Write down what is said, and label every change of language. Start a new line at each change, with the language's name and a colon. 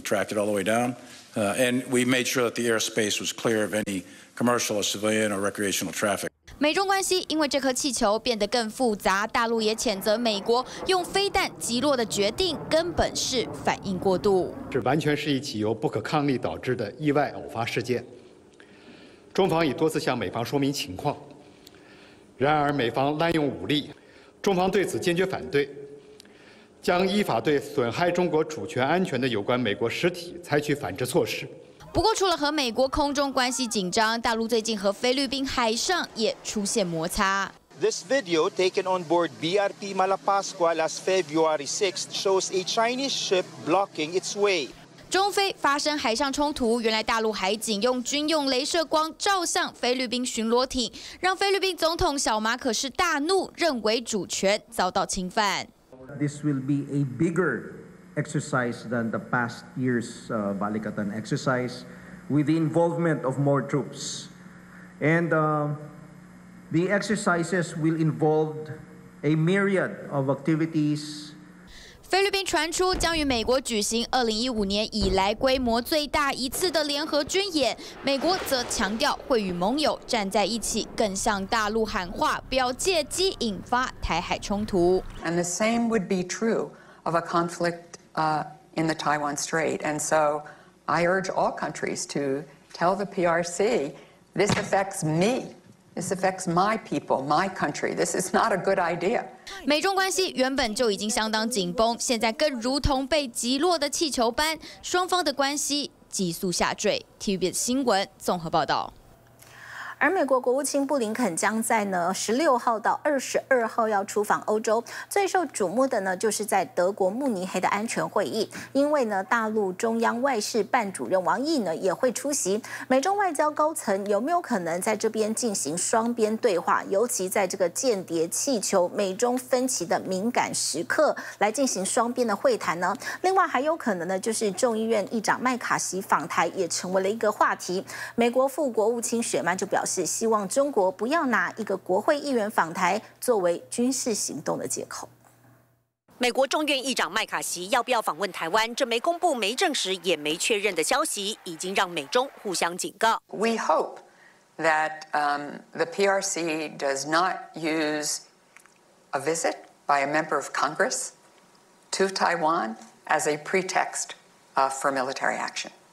English: tracked it all the way down, and we made sure that the airspace was clear of any commercial or civilian or recreational traffic.
Chinese: 美中关系因为这颗气球变得更复杂，大陆也谴责美国用飞弹击落的决定根本是反应过度。这完全是一起由不可抗力导致的意外偶发事件。中方已多次向美方说明情况，然而美方滥用武力，中方对此坚决反对，将依法对损害中国主权安全的有关美国实体采取反制措施。不过，除了和美国空中关系紧张，大陆最近和菲律宾海上也出现摩擦。
English: This video, taken on board BRP Malapascua last February 6th, shows a Chinese ship blocking its way.
Chinese: 中非发生海上冲突，原来大陆海警用军用镭射光照向菲律宾巡逻艇，让菲律宾总统小马可是大怒，认为主权遭到侵犯。
English: This will be a bigger exercise than the past year's Balikatan exercise, with the involvement of more troops. And the exercises will involve a myriad of activities.
Chinese: 菲律宾传出将与美国举行2015年以来规模最大一次的联合军演，美国则强调会与盟友站在一起，更向大陆喊话，不要借机引发台海冲突。
English: And the same would be true of a conflict in the Taiwan Strait. And so I urge all countries to tell the PRC, this affects me. This affects my people, my country. This is not a good idea.
Chinese: 美中关系原本就已经相当紧绷，现在更如同被击落的气球般，双方的关系急速下坠。 TVBS 新闻综合报道。而美国国务卿布林肯将在呢16号到22号要出访欧洲，最受瞩目的呢就是在德国慕尼黑的安全会议，因为呢大陆中央外事办主任王毅呢也会出席。美中外交高层有没有可能在这边进行双边对话，尤其在这个间谍气球、美中分歧的敏感时刻来进行双边的会谈呢？另外还有可能呢，就是众议院议长麦卡锡访台也成为了一个话题。美国副国务卿雪曼就表示，是希望中国不要拿一个国会议员访台作为军事行动的借口。美国众院议长麦卡锡要不要访问台湾，这没公布、没证实、也没确认的消息，已经让美中互相警告。
English: We hope that the PRC does not use a visit by a member of Congress to Taiwan as a pretext for military action.